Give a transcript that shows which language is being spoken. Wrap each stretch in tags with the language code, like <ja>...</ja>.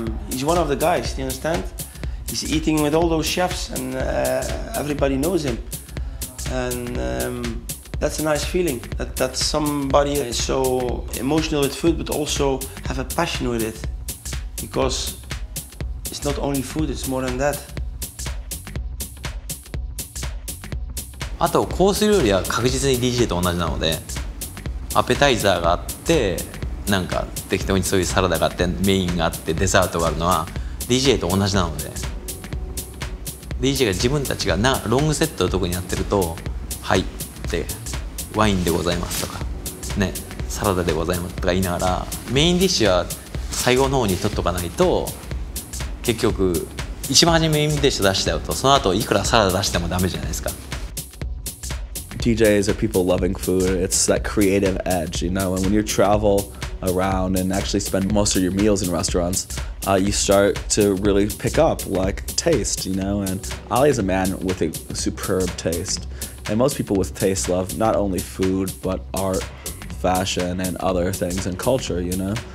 <en>He's one of the guys, do you understand? He's eating with all those chefs and everybody knows him. And that's a nice feeling, that somebody is so emotional with food but also have a passion with it. Because it's not only food, it's more than that.</en> <ja>あとコース料理は確実に DJ と同じなので、アペタイザーがあって、なんか適当にそういうサラダがあって、メインがあって、デザートがあるのは DJ と同じなので、DJ が自分たちがロングセットを特にやってると、はいって、ワインでございますとか、ね、サラダでございますとか言いながら、メインディッシュは最後の方に取っとかないと、結局一番初めにメインディッシュ出したよと、その後いくらサラダ出してもダメじゃないですか。</ja> <en>DJs are people loving food. It's that creative edge, you know. And when you travel around and actually spend most of your meals in restaurants, you start to really pick up like taste, you know. And Ali is a man with a superb taste. And most people with taste love not only food but art, fashion and other things and culture, you know.</en>